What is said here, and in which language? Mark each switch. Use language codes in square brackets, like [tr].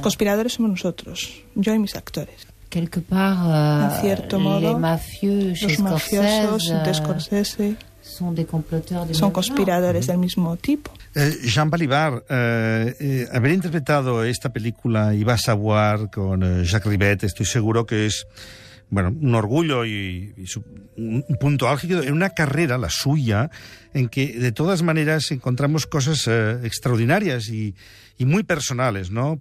[es] conspiradores somos nosotros, yo y mis actores. [fr] Quelque part, les mafieux chez Scorsese sont des comploteurs [es] son conspiradores del mismo tipo. Jean Balibar, haber interpretado esta película Iba a Savoir con Jacques Rivet, estoy seguro que es, bueno, un orgullo y un punto álgido en una carrera, la suya, en que de todas maneras encontramos cosas extraordinarias y muy personales, ¿no?